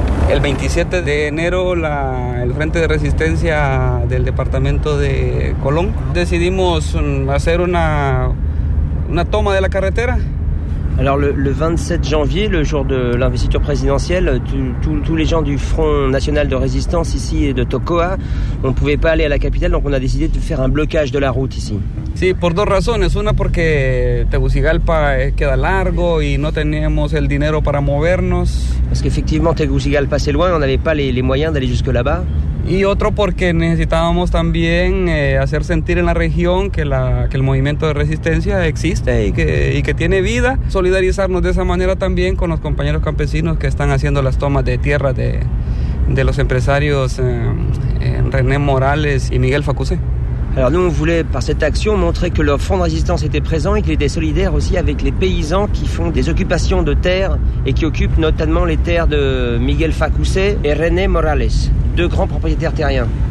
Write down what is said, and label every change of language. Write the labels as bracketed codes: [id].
[es] El 27 de enero, el Frente de Resistencia del departamento de Colón, decidimos hacer una toma de la carretera. [fr] Alors le 27 janvier, le jour de l'investiture présidentielle, tous les gens du Front National de Résistance ici de Tocoa, on ne pouvait pas aller à la capitale, donc on a décidé de faire un blocage de la route ici. [es] Sí, por dos razones. Una porque Tegucigalpa queda largo y no teníamos el dinero para movernos. [fr] Parce qu'effectivement Tegucigalpa c'est loin, on n'avait pas les moyens d'aller jusque là-bas. [es] Y otro porque necesitábamos también hacer sentir en la región que el movimiento de resistencia existe y que tiene vida. Solidarizarnos de esa manera también con los compañeros campesinos que están haciendo las tomas de tierra de los empresarios René Morales y Miguel Facusé. [fr] Alors nous, on voulait, par cette action, montrer que le Front de Résistance était présent et qu'il était solidaire aussi avec les paysans qui font des occupations de terres et qui occupent notamment les terres de Miguel Facusé et René Morales, deux grands propriétaires terriens.